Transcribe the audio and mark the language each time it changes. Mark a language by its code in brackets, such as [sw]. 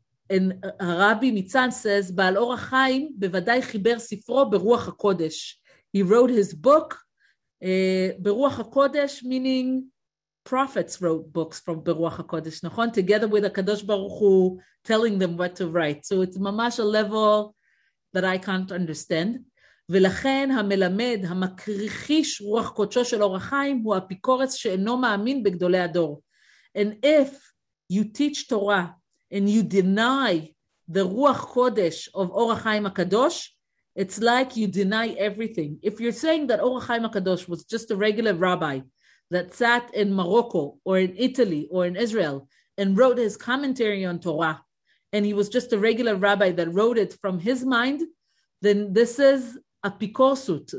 [en] And Rabbi Mitzan says, [he] Baal Or HaChaim bevadai chiber sifro beruach hakodesh. [en] He wrote his book, beruach hakodesh, meaning prophets wrote books from beruach hakodesh, nachon, together with HaKadosh Baruch Hu telling them what to write. So it's mamash a level that I can't understand. [he] ולכן המלמד, המקריחיש רוח קודשו של אור החיים, הוא הפיקורס שאינו מאמין בגדולי הדור. [en] And if you teach Torah, and you deny the Ruach Kodesh of Or HaChaim HaKadosh, it's like you deny everything. If you're saying that Or HaChaim HaKadosh was just a regular rabbi that sat in Morocco or in Italy or in Israel and wrote his commentary on Torah, and he was just a regular rabbi that wrote it from his mind, then this is a pikosut.